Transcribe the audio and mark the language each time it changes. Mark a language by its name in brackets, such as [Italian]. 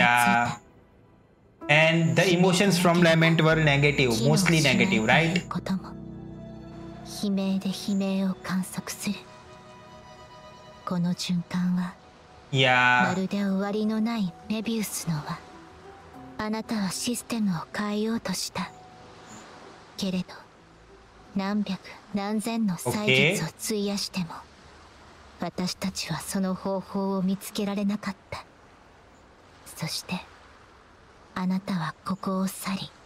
[Japanese] あなたはここでブラックショアを立ち上げ、ソラリスとのつながりを作った。あの日からテティスシステムはずっと存在している。やがてあなたはシステムが悲鳴そのものをコアにしていることに気がついた。And [English] the emotions from Lament were negative, mostly negative, right? [Japanese] 悲鳴で悲鳴を観測する。この循環はまるで終わりのないメビウスの輪。あなたはシステムを変えようとした。けれど、何百何千の歳月を費やしても、私たちはその方法を見つけられなかった。そして、あなたはここを去り。